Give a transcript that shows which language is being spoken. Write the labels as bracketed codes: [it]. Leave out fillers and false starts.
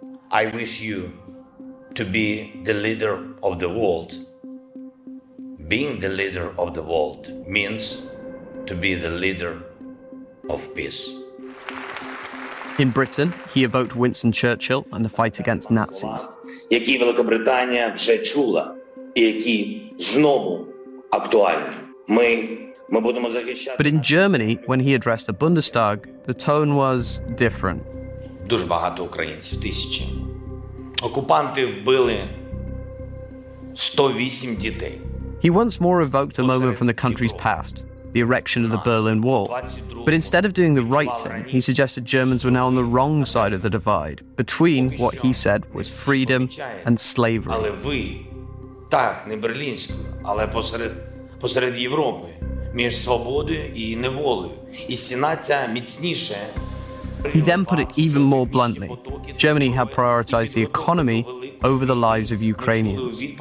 [en] I wish you to be the leader of the world. Being the leader of the world means to be the leader of peace. In Britain, he evoked Winston Churchill and the fight against Nazis. [uk] Які Великобританія вже чула, і які знову актуальні. Ми будемо захищати. [en] But in Germany, when he addressed the Bundestag, the tone was different. [uk] Дуже багато українців, тисячі. Окупанти вбили 108 дітей. [en] He once more evoked a moment from the country's past. The erection of the Berlin Wall. But instead of doing the right thing, he suggested Germans were now on the wrong side of the divide, between what he said was freedom and slavery. [uk] Але ви, так, не берлінська, але посеред Європи, між свободою і неволею. І ціна ця міцніша. [en] He then put it even more bluntly. Germany had prioritized the economy over the lives of Ukrainians.